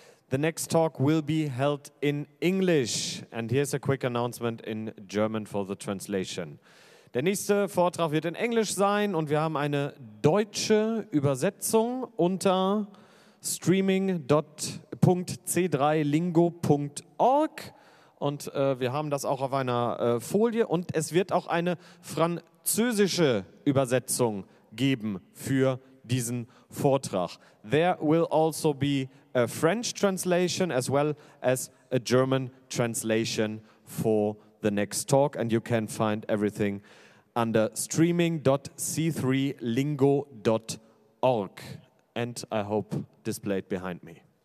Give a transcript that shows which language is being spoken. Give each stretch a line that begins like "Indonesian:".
English: The next talk will be held in English, and here's a quick announcement in German for the translation.
German: Der nächste Vortrag wird in Englisch sein und wir haben eine deutsche Übersetzung unter streaming.c3lingo.org und wir haben das auch auf einer Folie und es wird auch eine französische Übersetzung geben für diesen Vortrag.
English: There will also be a French translation as well as a German translation for the next talk and you can find everything under streaming.c3lingo.org and I hope displayed behind me.